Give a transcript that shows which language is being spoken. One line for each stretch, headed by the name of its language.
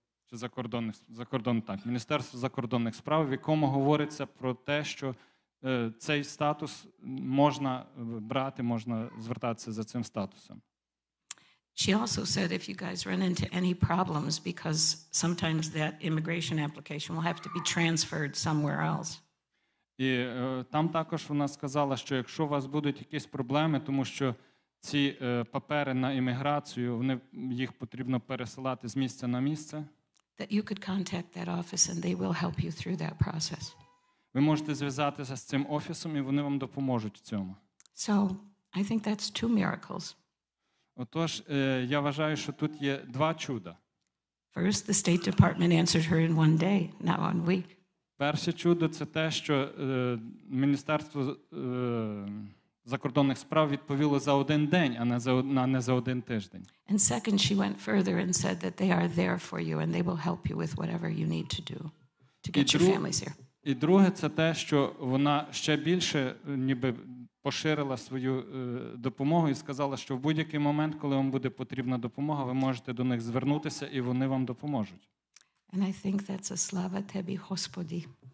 Ukrainian: Чи Міністерство закордонних справ, в якому говориться про те, що цей статус можна брати, можна звертатися за цим статусом.
English: She also said if you guys run into any problems, because sometimes that immigration application will have to be transferred somewhere else.
Ukrainian: І там також вона сказала, що якщо у вас будуть якісь проблеми, тому що ці папери на імміграцію, їх потрібно пересилати з місця на місце.
English: That you could contact that office and they will help you through that process.
Ukrainian: Ви можете зв'язатися з цим офісом, і вони вам допоможуть в цьому.
English: So, I think that's two miracles.
Ukrainian: Отож, я вважаю, що тут є два чуда.
English: First, the State Department answered her in one day, not one week.
Ukrainian: Перше чудо – це те, що Міністерство закордонних справ відповіло за один день, а не за один тиждень.
English: And second, she went further and said that they are there for you and they will help you with whatever you need to do to get your families here.
Ukrainian: І друге – це те, що вона ще більше ніби поширила свою допомогу і сказала, що в будь-який момент, коли вам буде потрібна допомога, ви можете до них звернутися і вони вам допоможуть.
English: And I think that's a
Ukrainian: slava tebi, Господи.